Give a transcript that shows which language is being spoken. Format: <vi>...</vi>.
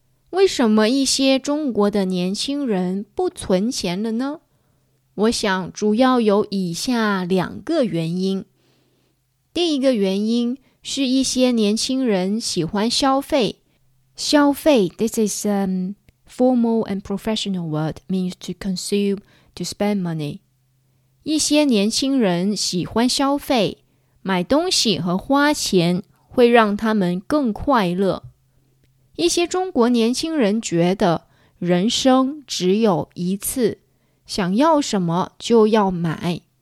<zh>为什么一些中国的年轻人不存钱了呢？我想主要有以下2个原因。第一个原因是一些年轻人喜欢消费。</zh> <en>消费 this is a formal and professional word, means to consume, to spend money.</en> <zh>一些年轻人喜欢消费，买东西和花钱会让他们更快乐。一些中国年轻人觉得人生只有一次，想要什么就要买。</zh>